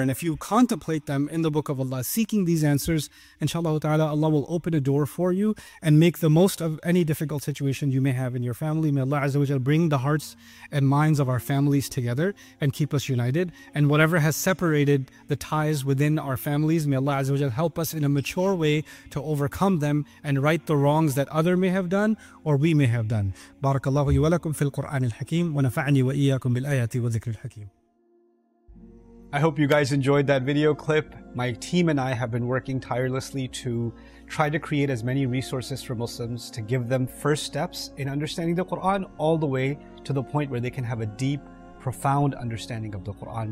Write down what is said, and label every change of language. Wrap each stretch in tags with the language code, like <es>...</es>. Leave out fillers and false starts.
<en>And if you contemplate them in the book of Allah, seeking these answers, inshallah ta'ala, Allah will open a door for you and make the most of any difficult situation you may have in your family. May Allah azza wa jal bring the hearts and minds of our families together and keep us united. And whatever has separated the ties within our families, may Allah azza wa jal help us in a mature way to overcome them and right the wrongs that other may have done or we may have done.</en> <ar>بارك الله لي ولكم في القرآن الحكيم ونفعني وإياكم بالآيات وذكر الحكيم.</ar> <en>I hope you guys enjoyed that video clip. My team and I have been working tirelessly to try to create as many resources for Muslims to give them first steps in understanding the Quran all the way to the point where they can have a deep, profound understanding of the Quran.</en>